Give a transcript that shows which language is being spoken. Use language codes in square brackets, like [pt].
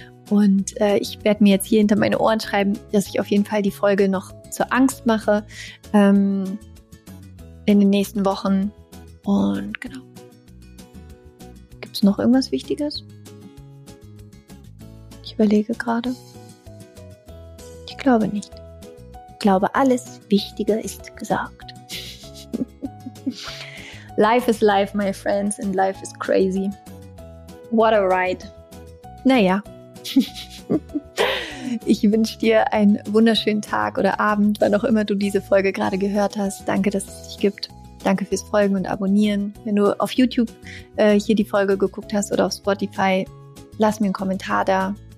[de] Und ich werde mir jetzt hier hinter meine Ohren schreiben, dass ich auf jeden Fall die Folge noch zur Angst mache in den nächsten Wochen. Und genau. Gibt es noch irgendwas Wichtiges? Ich überlege gerade. Ich glaube nicht. Ich glaube, alles Wichtige ist gesagt. [en] Life is life, my friends, and life is crazy. What a ride. Naja. [de] Ich wünsche dir einen wunderschönen Tag oder Abend, wann auch immer du diese Folge gerade gehört hast. Danke, dass es dich gibt. Danke fürs Folgen und Abonnieren. Wenn du auf YouTube hier die Folge geguckt hast oder auf Spotify, lass mir einen Kommentar da.